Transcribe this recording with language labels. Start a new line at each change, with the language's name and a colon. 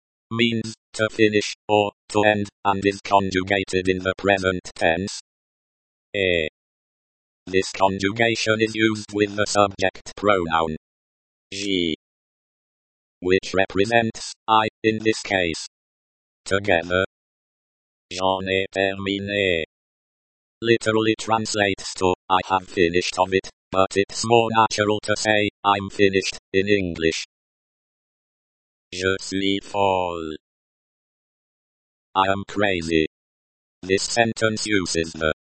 English: means to finish or to end, and is conjugated in the present tense
French: et.
English: This conjugation is used with the subject pronoun
French: j'ai,
English: which represents I in this case.
French: Together, j'en ai terminé
English: literally translates to, I have finished of it, but it's more natural to say, I'm finished, in English.
French: Je suis folle.
English: I am crazy. This sentence uses the